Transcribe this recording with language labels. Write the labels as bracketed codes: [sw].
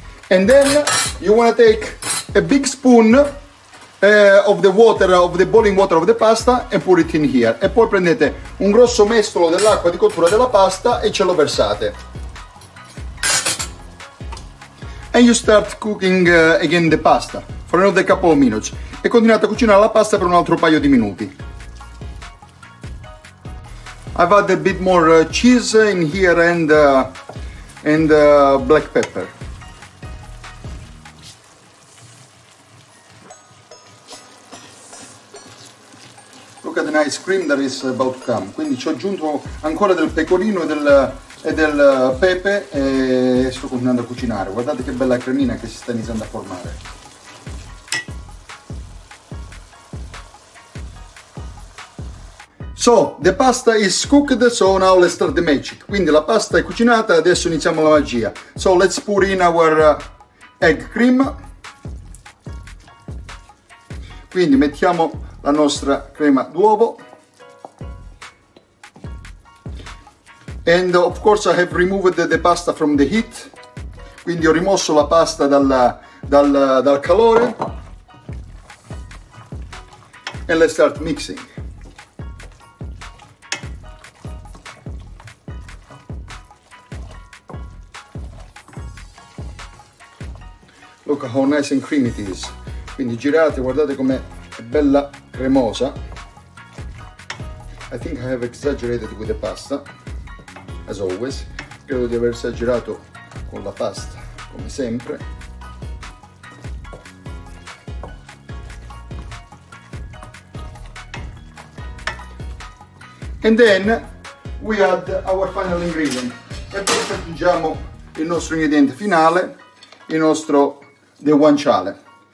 [en] And then you want to take a big spoon of the water, of the boiling water of the pasta, and put it in here. [it] E poi prendete un grosso mestolo dell'acqua di cottura della pasta e ce lo versate. [en] And you start cooking again the pasta for another couple of minutes. [it] E continuate a cucinare la pasta per un altro paio di minuti. [en] I've added a bit more cheese in here and black pepper. The nice cream that is about to come. [it] Quindi ci ho aggiunto ancora del pecorino e del pepe e sto continuando a cucinare. Guardate che bella cremina che si sta iniziando a formare. [en] So, the pasta is cooked, so now let's start the magic. [it] Quindi la pasta è cucinata, adesso iniziamo la magia. [en] So, let's pour in our egg cream. [it] Quindi mettiamo la nostra crema d'uovo. [en] And of course I have removed the pasta from the heat. [it] Quindi ho rimosso la pasta dal calore. [en] And let's start mixing. Look how nice and creamy it is. [it] Quindi girate, guardate com'è bella cremosa. [en] I think I have exaggerated with the pasta, as always. [it] Credo di aver esagerato con la pasta, come sempre. [en] And then we add our final ingredient. [it] E poi aggiungiamo il nostro ingrediente finale, il nostro the guanciale.